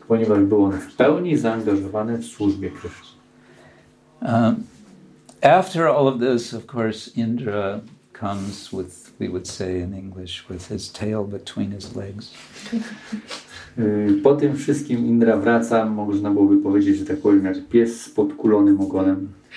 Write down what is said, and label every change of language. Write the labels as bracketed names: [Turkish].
[Polish] Ponieważ był on w pełni zaangażowany w służbie Krishna. [English] After all of this, of course, Indra comes with, we would say in English, with his tail between his legs. [Polish] Po tym wszystkim Indra wraca, można byłoby powiedzieć, że tak powiem, jak pies z podkulonym ogonem.